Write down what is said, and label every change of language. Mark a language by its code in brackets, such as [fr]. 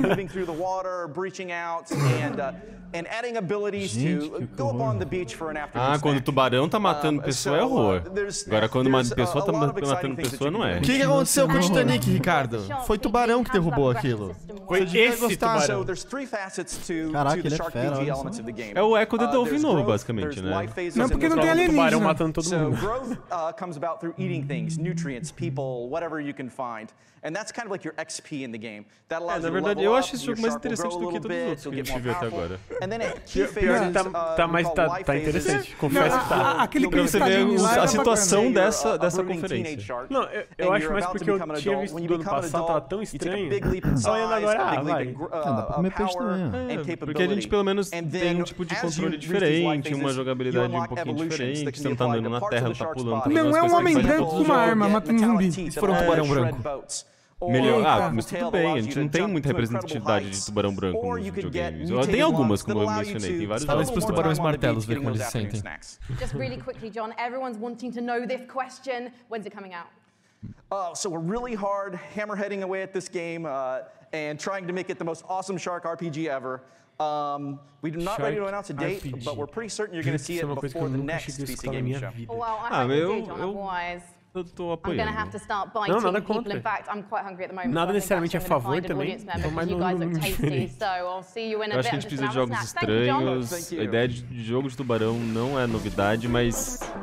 [en] Moving through the water, breaching out, and adding abilities to go up on the beach for an afternoon. [pt] Ah, quando o tubarão tá matando pessoa é horror. Agora, quando uma pessoa tá matando pessoa, não é. O que aconteceu com o Titanic, Ricardo? Foi tubarão que derrubou aquilo. Foi esse tubarão. [en] So, there's three facets to the shark PG elements of the game. [pt] É o eco do Dolphin novo, basicamente, né? Não, porque não tem alienígena. Tubarão matando todo mundo. [en] So, growth comes about through eating things, nutrients, people, whatever you can find. And that's kind of like your XP in the game. That allows [pt] na verdade, [en] you [pt] eu acho esse jogo mais interessante do que todos os outros que a gente viu até agora. [en] And then key phases, [pt] tá interessante, confesso que tá. Aquele que você vê a situação dessa conferência. Não, eu acho mais porque eu tinha visto do ano passado, tava tão estranho. Só olhando agora, vai. Dá pra comer peixe também. Porque a gente pelo menos tem um tipo de controle diferente, uma jogabilidade um pouquinho diferente. Você não tá andando na terra, não tá pulando. Não é um homem branco com uma arma, matando um zumbi. Se for um tubarão branco. Melhor, mas tudo bem, a gente não tem muita representatividade de tubarão branco nos videogames. Tem algumas, como eu mencionei, tem vários jogos. Fala para os tubarões martelos ver como eles se sentem. [en] Just really quickly, John, everyone's wanting to know this question. When's it coming out? Oh, so we're really hard hammerheading away at this game and trying to make it the most awesome shark RPG ever. We're not ready to announce a date, but we're pretty certain you're going to see it before the next PC Gaming Show. [pt] Eu tô apoiando. Não, nada contra. [en] In fact, I'm quite hungry at the moment. [pt] Nada necessariamente a favor também. Mas [en] you guys look tasty, so I'll see you in a bit. [pt] Eu acho que a gente precisa de jogos estranhos. A ideia de jogo de tubarão não é novidade, mas...